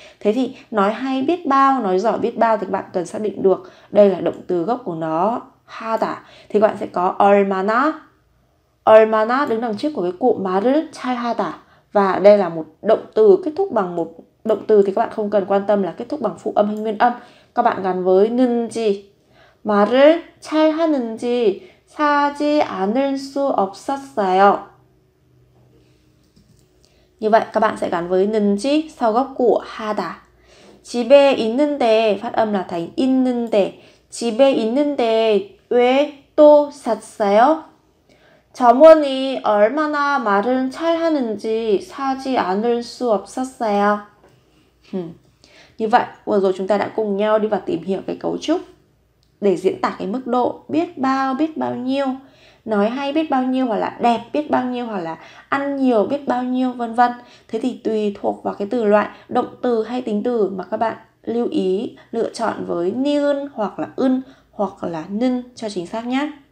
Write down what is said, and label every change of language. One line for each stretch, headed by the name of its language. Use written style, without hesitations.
Vietnamese: Thế thì nói hay biết bao, nói giỏi biết bao thì các bạn cần xác định được đây là động từ gốc của nó, 하다. Thì các bạn sẽ có 얼마나. 얼마나 đứng đằng trước của cái cụm
Korean: 말을 잘하다.
Vietnamese: Và đây là một động từ kết thúc bằng một động từ thì các bạn không cần quan tâm là kết thúc bằng phụ âm hay nguyên âm. Các bạn gắn với 는지.
Korean: 말을 잘 하는지 사지 않을 수 없었어요.
Vietnamese: Như vậy các bạn sẽ gắn với 는지 sau gốc của 하다.
Korean: 집에 있는데
Vietnamese: phát âm là thành 있는데.
Korean: 집에 있는데 왜 또 샀어요? 점원이 얼마나 말을 잘 하는지 사지 않을 수 없었어요.
Vietnamese: Như vậy vừa rồi chúng ta đã cùng nhau đi vào tìm hiểu cái cấu trúc để diễn tả cái mức độ biết bao nhiêu, nói hay biết bao nhiêu, hoặc là đẹp biết bao nhiêu, hoặc là ăn nhiều biết bao nhiêu, vân vân. Thế thì tùy thuộc vào cái từ loại động từ hay tính từ mà các bạn lưu ý lựa chọn với 니은 hoặc là 은 hoặc là 는 cho chính xác nhé.